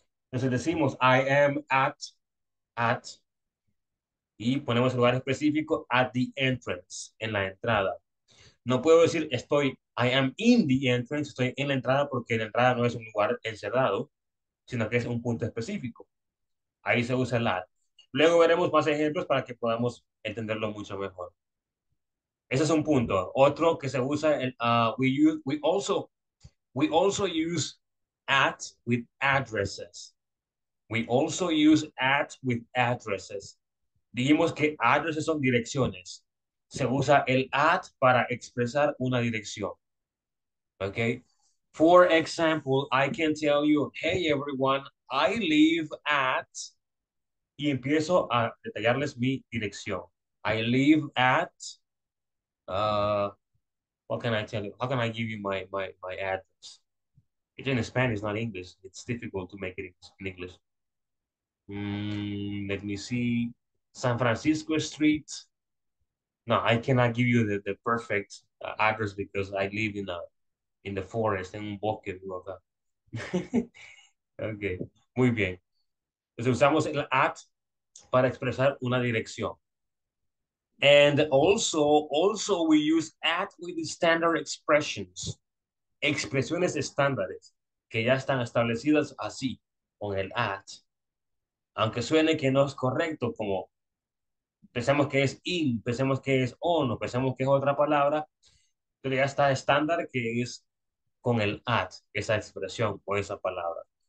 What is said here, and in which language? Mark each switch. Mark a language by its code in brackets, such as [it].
[es] Entonces decimos, [en] I am at, [es] y ponemos el lugar específico, [en] at the entrance, [es] en la entrada. No puedo decir, estoy, [en] I am in the entrance, [es] estoy en la entrada, porque la entrada no es un lugar encerrado, sino que es un punto específico. Ahí se usa el at. Luego veremos más ejemplos para que podamos entenderlo mucho mejor. Ese es un punto. Otro que se usa, [en] we also use at with addresses. We also use at with addresses. [es] Dijimos que addresses son direcciones. Se usa el at para expresar una dirección. [en] Okay. For example, I can tell you, hey everyone, I live at... [es] Y empiezo a detallarles mi dirección. [en] I live at... what can I tell you? How can I give you my address? It's in Spanish, not English. It's difficult to make it in English. Let me see. San Francisco Street. No, I cannot give you the perfect address because I live in the forest, [es] en un bosque. Okay, muy bien. Entonces usamos el at para expresar una dirección. [en] And also we use at with standard expressions. [es] Expresiones estándares que ya están establecidas así, con el at. Aunque suene que no es correcto, como pensamos que es in, pensamos que es on, o pensamos que es otra palabra, pero ya está estándar que es con el at, esa expresión o esa palabra.